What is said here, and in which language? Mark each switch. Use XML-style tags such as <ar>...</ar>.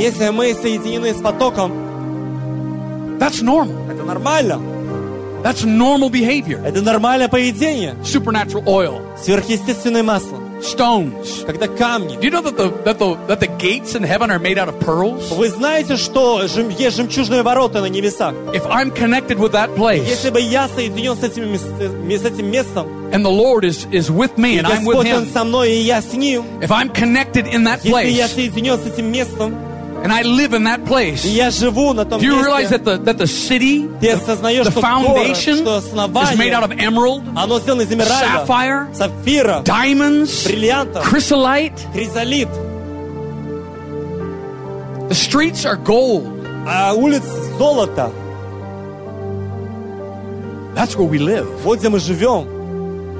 <ru>если мы соединены с потоком,</ru> <en>that's normal.</en> <ru>Это нормально.</ru> <en>That's normal behavior.</en> <ru>Это нормальное поведение.</ru> <en>Supernatural oil.</en> <ru>Сверхъестественное масло.</ru> <en>Stones.</en> <ru>Когда камни.</ru> <en>Do you know that the gates in heaven are made out of pearls?</en> <ru>Вы знаете, что есть жемчужные ворота на небесах?</ru> <en>If I'm connected with that place,</en> <ru>если бы я соединен с этим местом,</ru> <en>and the Lord is with me and I'm with Him,</en> <ru>со мной и я с ним,</ru> <en>if I'm connected in that place,</en> <ru>если я соединен с этим местом,</ru> <en>and I live in that place,</en> <ru>и я живу на том</ru> <en>do you realize</en> <ru>месте,</ru> <en>that the city, the foundation, is made out of emerald,</en> <ru>оно сделано из эмералда,</ru> <en>sapphire,</en> <ru>сапфира,</ru> <en>diamonds,</en> <ru>бриллиантов,</ru> <en>chrysolite,</en> <ru>хризолит.</ru> <en>The streets are gold.</en> <ru>А улицы золото.</ru> <en>That's where we live.</en> <ru>Вот где мы живем.</ru>